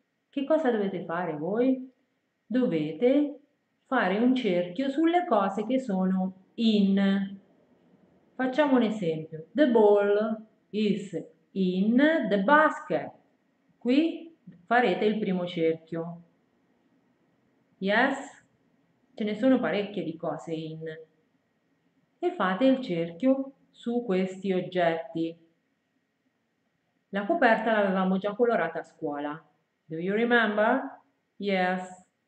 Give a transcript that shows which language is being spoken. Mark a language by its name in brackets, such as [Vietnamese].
[Italian] Che cosa dovete fare voi? Dovete fare un cerchio sulle cose che sono in. Facciamo un esempio. [English] The ball is in the basket. [Italian] Qui farete il primo cerchio. Yes? Ce ne sono parecchie di cose in. E fate il cerchio su questi oggetti. La coperta l'avevamo già colorata a scuola. [English] Do you remember? Yes.